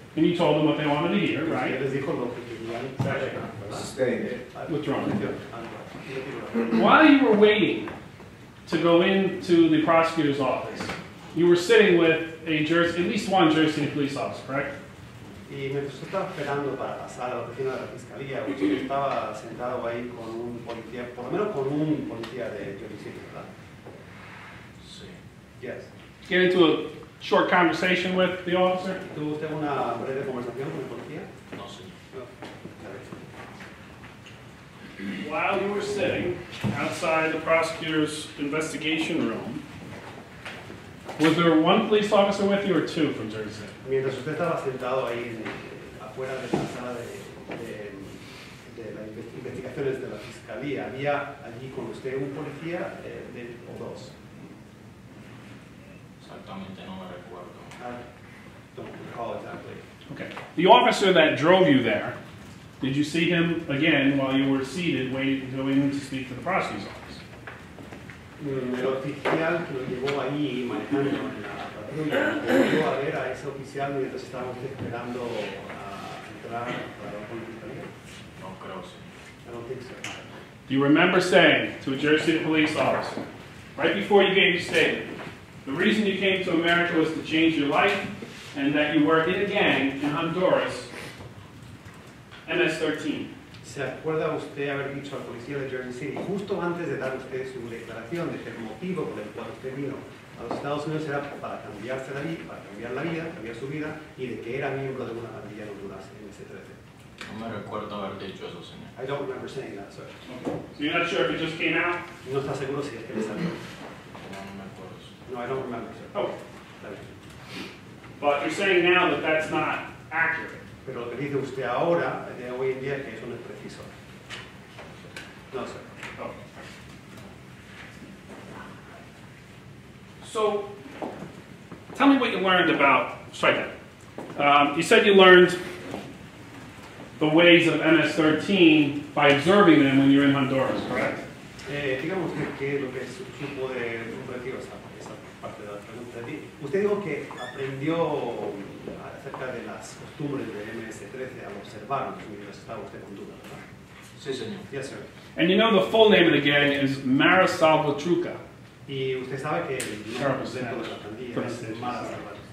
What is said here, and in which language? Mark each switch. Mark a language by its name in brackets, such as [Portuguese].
[English] And you told them what they wanted to hear, right? Withdrawn. While you were waiting to go into the prosecutor's office, you were sitting with a Jersey, at least one Jersey City police officer, correct? [Spanish] Y mientras estaba esperando para pasar a la oficina de la fiscalía, usted estaba sentado ahí con un policía, por lo menos con un policía de Jersey City, ¿verdad? Sí. [English] Yes. Get into a short conversation with the officer. [Spanish] ¿Tuvo usted una breve conversación con el policía? No, sí. [English] While you were sitting outside the prosecutor's investigation room, was there one police officer with you or two from Jersey City? [Spanish] Mientras usted estaba sentado ahí afuera de la sala de las investigaciones de la fiscalía, ¿había allí con usted un policía o dos? Exactamente, no me recuerdo. [English] I don't recall exactly. Okay. The officer that drove you there, did you see him again while you were seated waiting, going to speak to the prosecutor's office? [Spanish] El oficial que lo llevó ahí manejando en la patrulla, volvió a ver a ese oficial mientras estábamos esperando a entrar para con el fiscalía. No creo, sí. [English] I don't think so. Do you remember saying to a Jersey City police officer, right before you gave your statement, the reason you came to America was to change your life and that you were in a gang in Honduras, MS-13. [Spanish] ¿Se acuerda usted haber dicho al policía de Jersey City, justo antes de dar usted su declaración, de que el motivo por el cual usted vino a los Estados Unidos era para cambiarse la vida, para cambiar la vida, cambiar su vida, y de que era miembro de una pandilla de Honduras, MS-13? No me recuerdo haber dicho eso, señor. [English] I don't remember saying that, sir. Okay. So you're not sure if it just came out? [Spanish] No está seguro si es que le salió. No me acuerdo. [English] No, I don't remember, sir. Okay. But you're saying now that that's not accurate. [Spanish] Pero lo que dice usted ahora, de hoy en día, que eso no es preciso. [English] No, sir. Oh. So, tell me what you learned about, sorry, Dad. You said you learned the ways of MS-13 by observing them when you're in Honduras, correct? [Spanish] Digamos que lo que supo de un retiro, esa parte de la pregunta de ti. Usted dijo que aprendió acerca de las costumbres de MS-13 al observarlos mientras estaba usted con duda, ¿verdad? Sí, señor. [English] Yes, sir. And you know the full name of the gang is Mara Salvatruca. [Spanish] Y usted sabe que el nombre de la pandilla es Mara Salvatruca.